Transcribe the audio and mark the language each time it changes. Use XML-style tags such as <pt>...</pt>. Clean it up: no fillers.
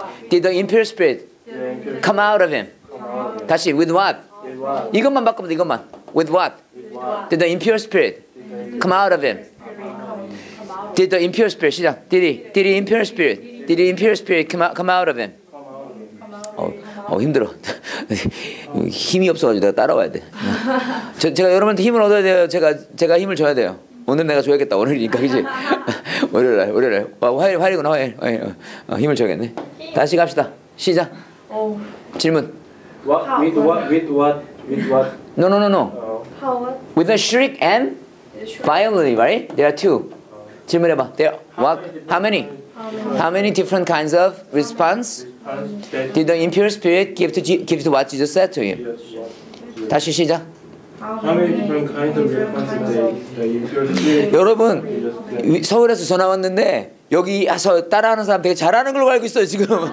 <en>Did the impure spirit come out of him?</en> <ko>다시, with what? 이것만 바꿔봐, 이것만.</ko> <en>With what? Did the impure spirit come out of him? Did the impure spirit,</en> <ko>시작.</ko> <en>Did he impure spirit? Did the impure spirit come out of him?</en> <ko>힘들어. 힘이 없어가지고 내가 따라와야 돼. 제가 여러분한테 힘을 얻어야 돼요. 제가 힘을 줘야 돼요. 오늘 내가 줘야겠다. 월요일이니까, 그치? 월요일. 화요일이구나, 화요일. 힘을 줘야겠네. 다시 갑시다. 시작. 질문.</ko> <en>With what? No. How what? With a shriek and violently, right? There are two.</en> <ko>질문해봐.</ko> <en>There are what? How many? How many different kinds of response did the impure spirit give to what Jesus said to him?</en> <ko>다시 시작.</ko> <en>How many different kinds of response did the impure spirit?</en> <ko>여러분, 서울에서 전화 왔는데 여기 와서 따라하는 사람 되게 잘하는 걸로 알고 있어요 지금.</ko>